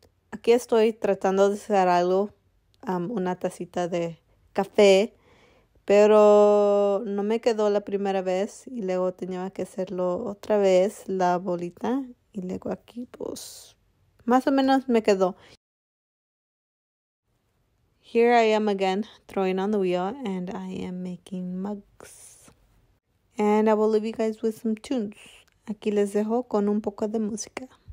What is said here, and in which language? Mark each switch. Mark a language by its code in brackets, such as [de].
[es] Aquí estoy tratando de hacer algo, una tacita de café, pero no me quedó la primera vez y luego tenía que hacerlo otra vez, la bolita, y luego aquí, pues, más o menos me quedó. [en] Here I am again, throwing on the wheel, and I am making mugs. And I will leave you guys with some tunes. [es] Aquí les dejo con un poco de música.